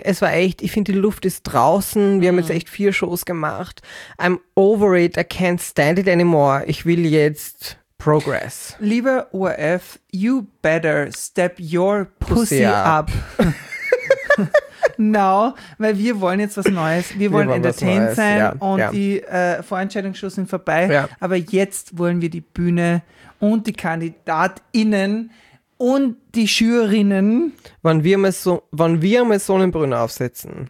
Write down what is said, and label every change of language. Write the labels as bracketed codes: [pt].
[de] Es war echt, ich finde, die Luft ist draußen. Wir haben jetzt echt 4 Shows gemacht. [en] I'm over it. I can't stand it anymore. [de] Ich will jetzt progress. Lieber ORF, [en] you better step your pussy up. [de] Genau, weil wir wollen jetzt was Neues. Wir wollen entertained sein die Vorentscheidungsshows sind vorbei. Ja. Aber jetzt wollen wir die Bühne und die KandidatInnen und die Jurinnen. Wenn wir mal Sonnenbrüne aufsetzen.